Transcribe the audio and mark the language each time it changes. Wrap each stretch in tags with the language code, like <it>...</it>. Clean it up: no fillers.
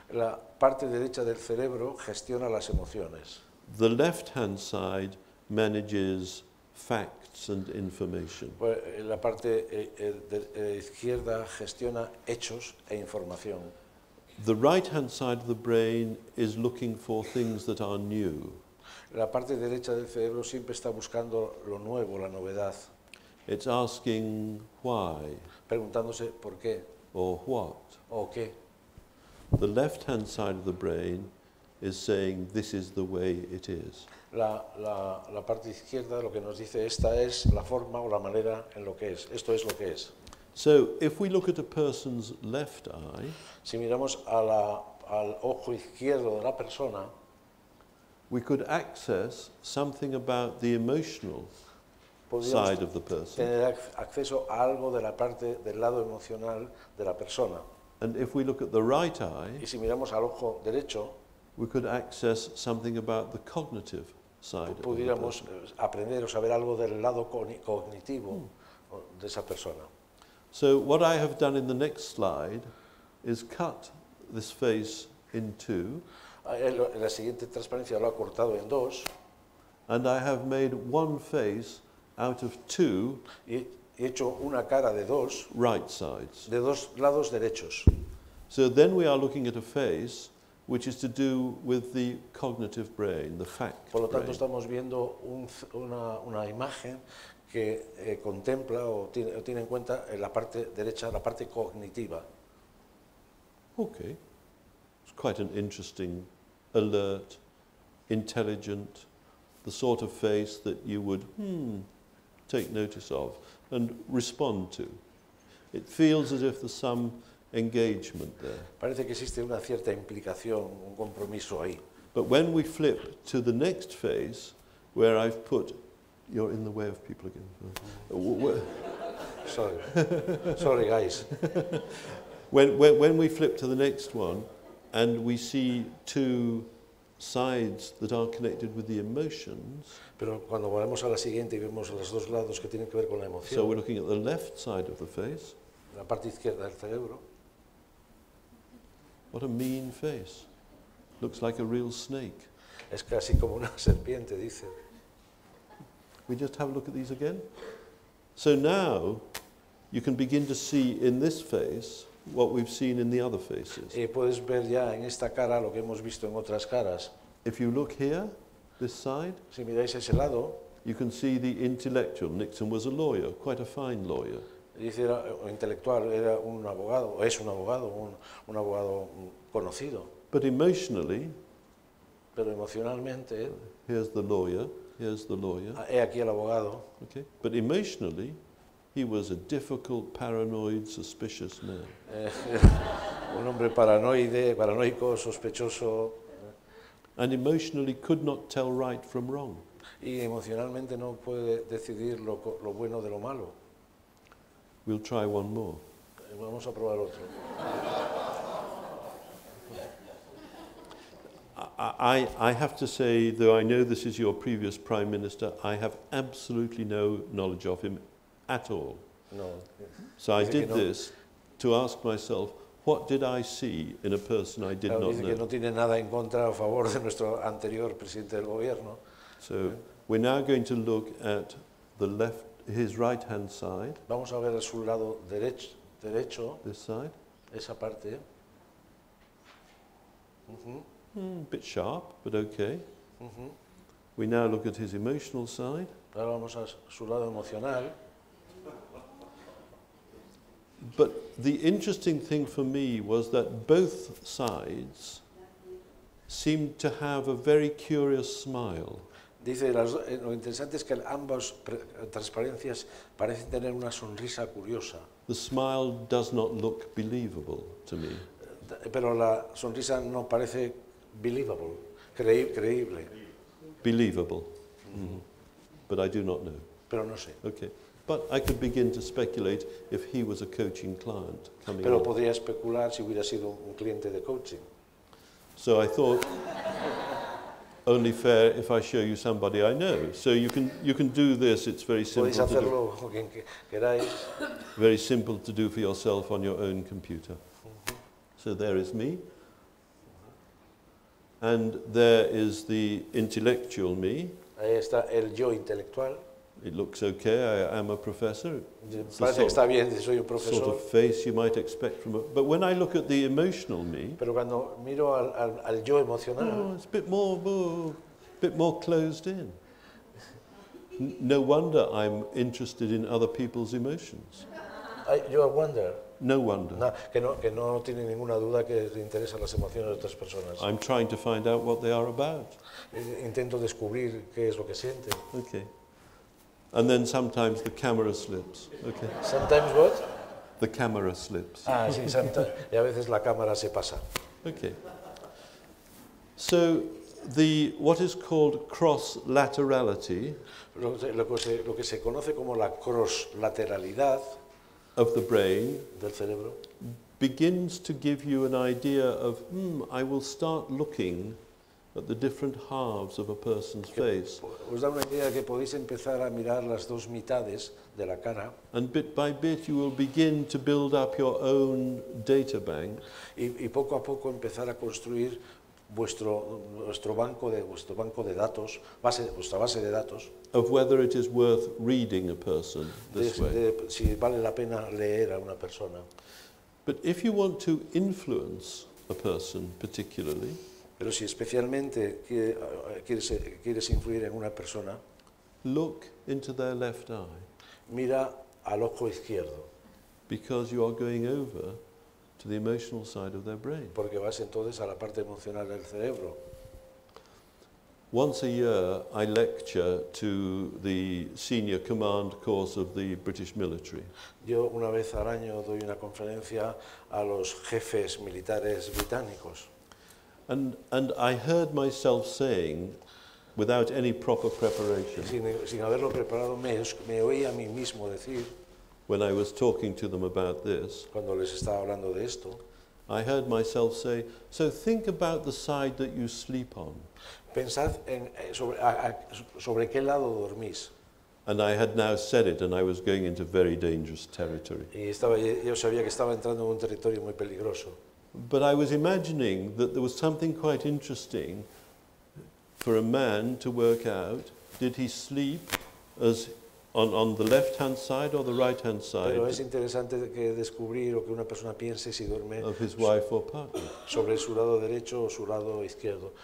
<es>La parte derecha del cerebro gestiona las emociones.</es> <en>The left-hand side manages facts and information.</en> <es>Pues la parte izquierda gestiona hechos e información.</es> <en>The right-hand side of the brain is looking for things that are new.</en> <es>La parte derecha del cerebro siempre está buscando lo nuevo, la novedad.</es> <en>It's asking why.</en> <es>Preguntándose por qué.</es> <en>Or what.</en> <es>O qué.</es> <en>The left-hand side of the brain is saying this is the way it is.</en> <es>La parte izquierda lo que nos dice esta es la forma o la manera en lo que es. Esto es lo que es.</es> <en>So, if we look at a person's left eye,</en> <es>si miramos al ojo izquierdo de la persona,</es> <en>we could access something about the emotional side of the person.</en> <es>Tener acceso a algo de la parte del lado emocional de la persona.</es> <en>And if we look at the right eye,</en> <es>y si miramos al ojo derecho,</es> <en>we could access something about the cognitive side.</en> <es>Pudiéramos aprender o saber algo del lado cognitivo de esa persona.</es> <en>So what I have done in the next slide is cut this face in two.</en> <es>La siguiente transparencia lo ha cortado en dos.</es> <en>And I have made one face out of two.</en> <es>He hecho una cara de dos.</es> <en>Right sides.</en> <es>De dos lados derechos.</es> <en>So then we are looking at a face which is to do with the cognitive brain, the fact.</en> <es>Por lo tanto,</es> <en>brain.</en> <es>Estamos viendo una imagen que contempla o tiene en cuenta la parte derecha, la parte cognitiva.</es> <en>Okay. It's quite an interesting, alert, intelligent, the sort of face that you would take notice of and respond to. It feels as if there's some engagement there.</en> <es>Parece que existe una cierta implicación, un compromiso ahí.</es> <en>But when we flip to the next face, where I've put... You're in the way of people again. Sorry. Sorry, guys. When we flip to the next one, and we see two sides that are connected with the emotions.</en> <es>Pero cuando volvemos a la siguiente y vemos los dos lados que tienen que ver con la emoción.</es> <en>So we're looking at the left side of the face.</en> <es>La parte izquierda del cerebro.</es> <en>What a mean face. Looks like a real snake.</en> <es>Es casi como una serpiente, dice.</es> <en>We just have a look at these again. So now you can begin to see in this face what we've seen in the other faces.</en> <es>Puedes ver ya en esta cara lo que hemos visto en otras caras.</es> <en>If you look here, this side,</en> <es>si miráis ese lado,</es> <en>you can see the intellectual. Nixon was a lawyer, quite a fine lawyer.</en> <es>Dice, era intelectual, era un abogado, es un abogado, un abogado conocido.</es> <en>But emotionally,</en> <es>pero emocionalmente,</es> <en>here's the lawyer, here's the lawyer.</en> <es>He aquí el abogado.</es> <en>Okay. But emotionally, he was a difficult, paranoid, suspicious man.</en> <es>Un hombre paranoide, paranoico, sospechoso.</es> <en>And emotionally could not tell right from wrong.</en> <es>Y emocionalmente no puede decidir lo bueno de lo malo.</es> <en>We'll try one more.</en> <es>Vamos a probar otro.</es> <en>I have to say, though I know this is your previous prime minister, I have absolutely no knowledge of him. At all. No. So I did this to ask myself, what did I see in a person I did not know?</en> <es>Que no tiene nada en contra a favor de nuestro anterior presidente del gobierno.</es> <en>So we're now going to look at the left, his right hand side.</en> <es>Vamos a ver su lado derecho.</es> <en>This side.</en> <es>Esa parte.</es> <en>A bit sharp, but okay. We now look at his emotional side.</en> <es>Ahora vamos a su lado emocional.</es> <en>But the interesting thing for me was that both sides seemed to have a very curious smile.</en> <es>Dice, lo interesante es que ambas transparencias parecen tener una sonrisa curiosa.</es> <en>The smile does not look believable to me.</en> <es>Pero la sonrisa no parece believable, creíble.</es> <en>Believable. But I do not know.</en> <es>Pero no sé.</es> <en>Okay. But I could begin to speculate if he was a coaching client coming.</en> <es>Pero podría especular si hubiera sido un cliente de coaching.</es> <en>So I thought only fair if I show you somebody I know. So you can do this. It's very simple.</en> <es>Podéis hacerlo con quien queráis.</es> <en>Very simple to do for yourself on your own computer. So there is me, and there is the intellectual me.</en> <es>Ahí está el yo intelectual.</es> <en>It looks okay, I am a professor.</en> <es>Parece que está bien, soy un profesor.</es> <en>Sort of face you might expect from a... But when I look at the emotional me...</en> <es>Pero cuando miro al yo emocional...</es> <en>Oh, it's a bit more closed in. No wonder I'm interested in other people's emotions. No wonder.</en> <es>No, que no tiene ninguna duda que le interesan las emociones de otras personas.</es> <en>I'm trying to find out what they are about.</en> <es>Intento descubrir qué es lo que siente.</es> <en>Okay. And then sometimes the camera slips. Okay. Sometimes what? The camera slips.</en> <es>Ah, sí, sometimes. Y a veces la cámara se pasa.</es> <en>Okay. So the what is called cross-laterality.</en> <es>Lo que se conoce como la cross-lateralidad</es> <en>of the brain</en> <es>del cerebro</es> <en>begins to give you an idea of I will start looking at the different halves of a person's face.</en> <es>Os da una idea que podéis empezar a mirar las dos mitades de la cara.</es> <en>And bit by bit you will begin to build up your own data bank.</en> <es>Y poco a poco empezar a construir vuestro banco de datos, vuestra base de datos.</es> <en>Of whether it is worth reading a person this way.</en> <es>De si vale la pena leer a una persona.</es> <en>But if you want to influence a person particularly,</en> <es>pero si especialmente quieres influir en una persona,</es> <en>look into their left eye.</en> <es>Mira al ojo izquierdo.</es> <en>Because you are going over to the emotional side of their brain.</en> <es>Porque vas entonces a la parte emocional del cerebro.</es> <en>Once a year, I lecture to the senior command course of the British military.</en> <es>Yo una vez al año doy una conferencia a los jefes militares británicos.</es> <en>And I heard myself saying, without any proper preparation,</en> <es>sin haberlo preparado, me oí a mí mismo decir,</es> <en>when I was talking to them about this,</en> <es>cuando les estaba hablando de esto,</es> <en>I heard myself say, so think about the side that you sleep on.</en> <es>Pensad en sobre qué lado dormís.</es> <en>And I had now said it, and I was going into very dangerous territory.</en> <es>Y estaba, yo sabía que estaba entrando en un territorio muy peligroso.</es> <en>But I was imagining that there was something quite interesting for a man to work out. Did he sleep as on the left-hand side or the right-hand side?</en> <es>Pero es interesante que descubrir o que una persona piense si duerme</es> <en>of his wife or partner.</en> <es>Sobre su lado derecho o su lado izquierdo.</es>